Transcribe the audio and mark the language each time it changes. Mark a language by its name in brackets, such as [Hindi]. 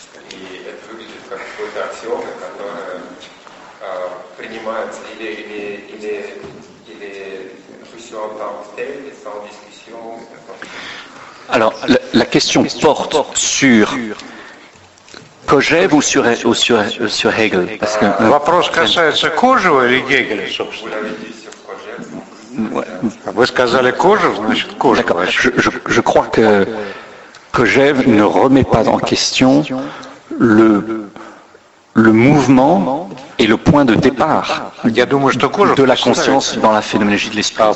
[Russian] И это выглядит как какой-то аксиома, которая принимается или [French] discussion dans tel, sans discussion. Alors, la question porte sur Кожев ou sur Hegel, parce que [Russian] вопрос касается Кожева или Гегеля, собственно. Вы сказали Кожев, значит Кожев. [French] D'accord. Je crois que Кожев ne remet pas en question le mouvement et le point de départ de la conscience dans la phénoménologie de l'esprit.